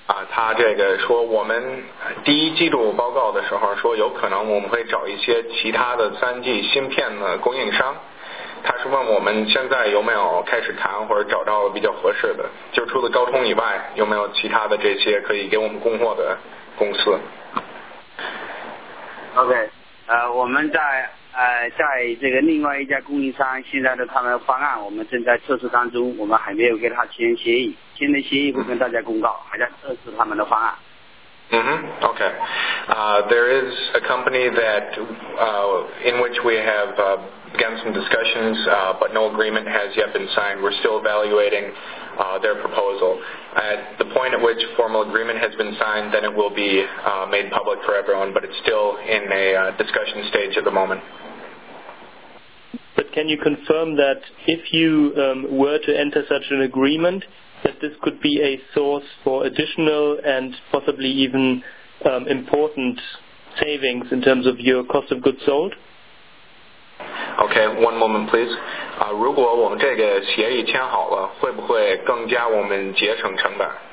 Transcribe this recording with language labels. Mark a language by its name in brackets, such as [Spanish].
[Chinese] 他这个说我们第一季度报告的时候说有可能我们会找一些其他的 3G 芯片的供应商，他是问我们现在有没有开始谈或者找到了比较合适的，就除了高通以外有没有其他的这些可以给我们供货的公司。 OK， 我们在这个另外一家供应商现在的他们方案我们正在测试当中，我们还没有跟他签协议，签的协议会跟大家公告，还在测试他们的方案。嗯哼 [English] ，OK， there is a company that in which we have began some discussions, but no agreement has yet been signed. We're still evaluating their proposal. At the point at which formal agreement has been signed, then it will be made public for everyone, but it's still in a discussion stage at the moment. But can you confirm that if you were to enter such an agreement, that this could be a source for additional and possibly even important savings in terms of your cost of goods sold? Okay, one moment, please. [Chinese] 如果我们这个协议签好了，会不会更加我们节省成本？